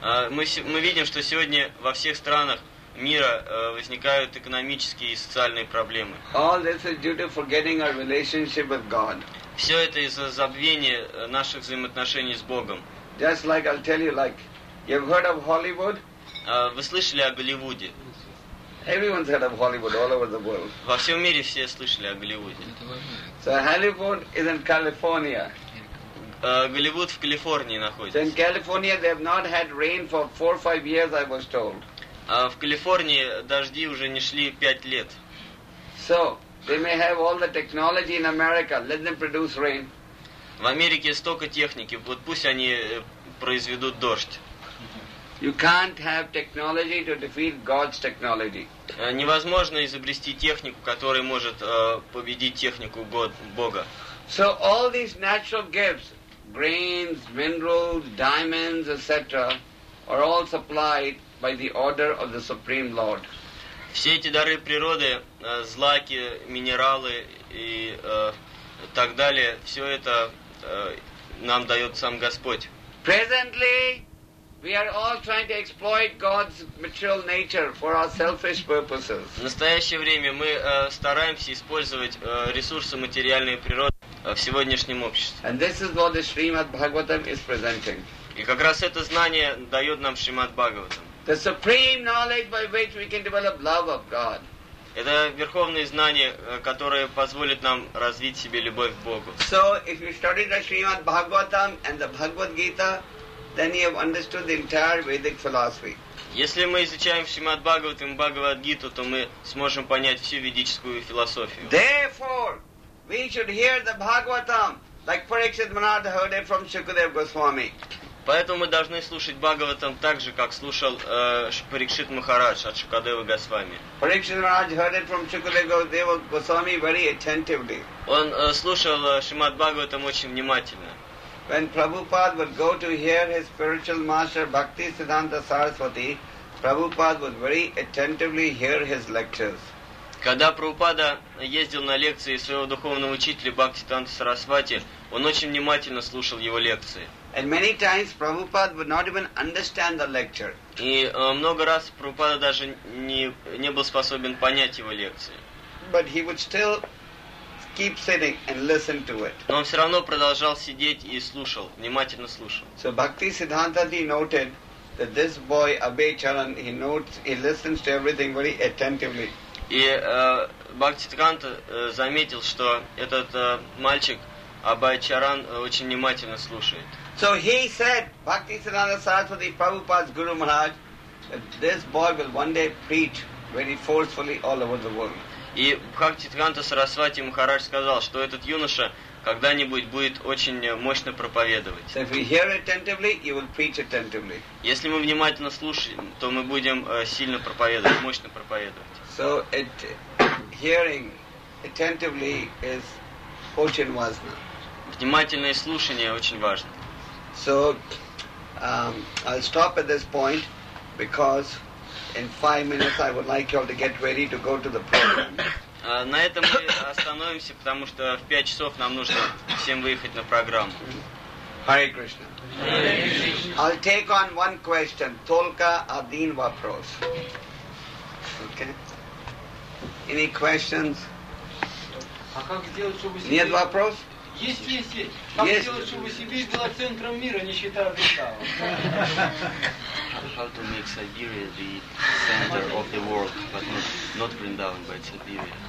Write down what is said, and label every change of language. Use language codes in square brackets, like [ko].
[ru] Мы видим, что сегодня во всех странах мира возникают экономические и социальные проблемы. [en] All this is due to forgetting our relationship with God. [ru] Все это из-за забвения наших взаимоотношений с Богом. [en] Just like I'll tell you, like you've heard of Hollywood? [ru] Вы слышали о Голливуде? [en] Everyone's heard of Hollywood all over the world. [ru] Во всем мире все слышали о Голливуде. [en] So Hollywood is in California. [ru] Голливуд в Калифорнии находится. [en] So in California they have not had rain for 4-5 years, I was told. [ru] В Калифорнии дожди уже не шли 5 лет. [en] So they may have all the technology in America. Let them produce rain. [ru] В Америке столько техники, вот пусть они произведут дождь. [en] You can't have technology to defeat God's technology. [ru] Невозможно изобрести технику, которая может победить технику Бога. [en] So all these natural gifts, grains, minerals, diamonds, etc., are all supplied by the order of the Supreme Lord. [ru] Все эти дары природы, злаки, минералы и так далее, все это нам дает сам Господь. [en] Presently, we are all trying to exploit God's material nature for our selfish purposes. [ru] В настоящее время мы стараемся использовать ресурсы материальной природы в сегодняшнем обществе. [en] And this is what the Srimad Bhagavatam is presenting. [ru] И как раз это знание дает нам Шримад Бхагаватам. [en] The supreme knowledge by which we can develop love of God. [ru] Это верховное знание, которое позволит нам развить в себе любовь к Богу. [en] So if you study the Srimad Bhagavatam and the Bhagavad Gita, then you have understood the entire Vedic philosophy. [ru] Если мы изучаем Шримад Бхагаватам и Бхагавад Гиту, то мы сможем понять всю ведическую философию. [en] Therefore, we should hear the Bhagavatam, like Parikshit Maharaj heard it from Shukadev Goswami. [ru] Поэтому мы должны слушать Бхагаватам так же, как слушал Парикшит Махарадж от Шукадева Госвами. [en] Parikshit Maharaj heard it from Shukadeva Goswami very attentively. [ru] Он слушал Шримад Бхагаватам очень внимательно. [en] When Prabhupada would go to hear his spiritual master Bhakti Siddhanta Saraswati, Prabhupada would very attentively hear his lectures. [ru] Когда Прабхупада ездил на лекции своего духовного учителя Бхакти Сиддханта Сарасвати, он очень внимательно слушал его лекции. [en] And many times Prabhupada would not even understand the lecture. [ru] И много раз Прабхупада даже не был способен понять его лекции. [en] But he would still keep sitting and listen to it. [ru] Но он все равно продолжал сидеть и слушал, внимательно слушал. [en] So Bhakti Siddhanta ji noted that this boy Abhay Charan, he notes, he listens to everything very attentively. [ru] И Бхакти Сиддханта заметил, что этот мальчик Абхай Чаран очень внимательно слушает. [en] So he said, Bhakti Siddhanta Saraswati, Prabhupada's Guru Maharaj, that this boy will one day preach very forcefully all over the world. [ru] И Бхакти Сиддханта Сарасвати Махарадж сказал, что этот юноша когда-нибудь будет очень мощно проповедовать. [en] So if we hear attentively, you will preach attentively. [ru] Если мы внимательно слушаем, то мы будем сильно проповедовать, мощно проповедовать. [en] So it, hearing attentively is [ru] очень важно. Внимательное слушание очень важно. [en] So I'll stop at this point because in 5 minutes I would like you all to get ready to go to the program. [ru] На этом мы остановимся, потому что в 5 часов нам нужно всем выехать на программу. [sa] Hare Krishna. Hare Krishna. [en] I'll take on one question. [ru] Только один вопрос. [en] Okay. Any questions? [ru] А как сделать, чтобы себе... Нет вопрос? Есть, есть, есть. Как есть. Сделать, чтобы Сибирь была центром мира, не считая Вишнава? [en] How to make Siberia the center of the world, but not Vrindavan, but Siberia.